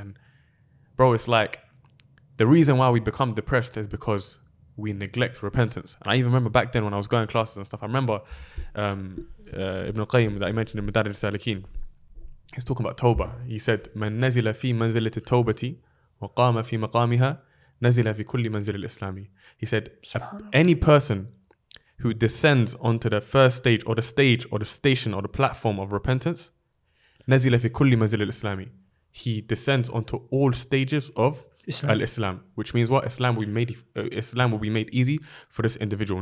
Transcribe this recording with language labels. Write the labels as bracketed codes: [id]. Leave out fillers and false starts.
[en] And bro, it's like, the reason why we become depressed is because we neglect repentance. And I even remember back then when I was going to classes and stuff, I remember Ibn Qayyim that he mentioned in Madarij Salikin, he's talking about Tawbah. He said, [ar] "Man nazila fi manzilati Tawbati وقام في مقامها نزل في كل منزل الإسلامي. [en] He said, any person who descends onto the first stage or the stage or the station or the platform of repentance, [ar] نزل في كل منزل الإسلامي. [en] He descends onto all stages of Islam. Al-Islam, which means what? Islam will be made Islam will be made easy for this individual.